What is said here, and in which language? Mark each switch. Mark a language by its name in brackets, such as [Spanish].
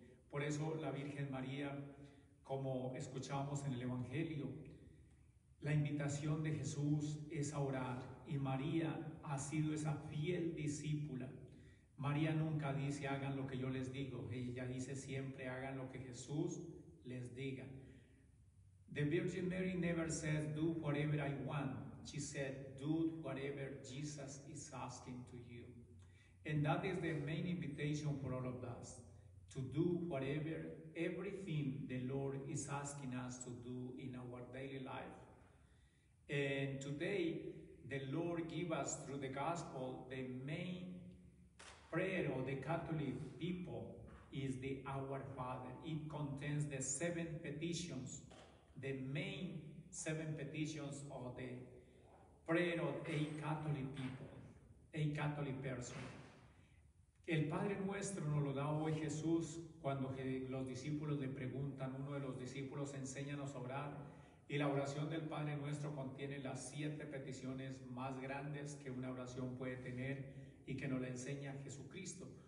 [Spanish] Por eso la Virgen María, como escuchamos en el Evangelio, la invitación de Jesús es a orar, y María ha sido esa fiel discípula. María nunca dice hagan lo que yo les digo, ella dice siempre hagan lo que Jesús les diga. [English] The Virgin Mary never says, do whatever I want. She said, do whatever Jesus is asking to you. And that is the main invitation for all of us, to do whatever, everything the Lord is asking us to do in our daily life. And today, the Lord give us through the gospel, the main prayer of the Catholic people is the Our Father. It contains the seven petitions. The main seven petitions of the prayer of a Catholic people, a Catholic person. [Spanish] El Padre Nuestro nos lo da hoy Jesús cuando los discípulos le preguntan, uno de los discípulos, enséñanos a orar. Y la oración del Padre Nuestro contiene las siete peticiones más grandes que una oración puede tener y que nos la enseña Jesucristo.